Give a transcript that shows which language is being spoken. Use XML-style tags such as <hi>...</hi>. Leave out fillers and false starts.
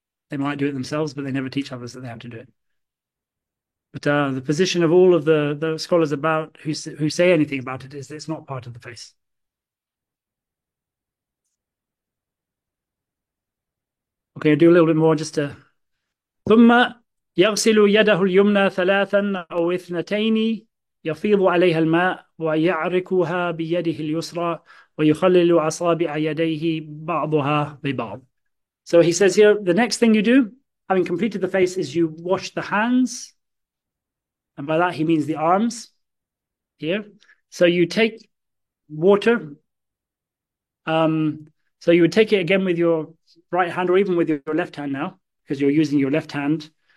<en>They might do it themselves, but they never teach others that they have to do it. But the position of all of the scholars about who say anything about it is that it's not part of the face. Okay, I'll do a little bit more just to.</en> <ar>ثم يغسل يده اليمنى ثلاثا أو اثنتين يفيض عليها الماء ويعركها بيده اليسرى ويخلل أصابع يديه بعضها ببعض.</ar> <en>So he says here, the next thing you do, having completed the face, is you wash the hands. And by that, he means the arms here. So you take water. So you would take it again with your right hand or even with your left hand now, because you're using your left hand.</en>